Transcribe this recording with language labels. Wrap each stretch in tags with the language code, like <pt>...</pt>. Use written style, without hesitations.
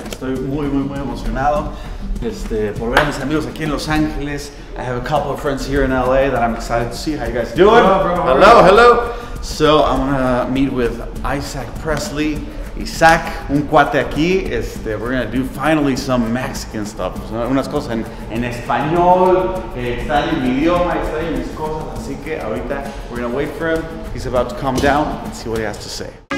<es>Estoy muy, muy, muy emocionado por ver a mis amigos aquí en Los Angeles.</es> <en>I have a couple of friends here in LA that I'm excited to see. How you guys doing? Hello, bro. Hello, hello. So I'm gonna meet with Isaak Presley. Isaac,</en> <es>un cuate aquí.</es> <en>We're gonna do finally some Mexican stuff.</en> <es>So, unas cosas en español. Está en mi idioma, está en mis cosas. Así que ahorita</es> <en>we're gonna wait for him. He's about to calm down and see what he has to say.</en>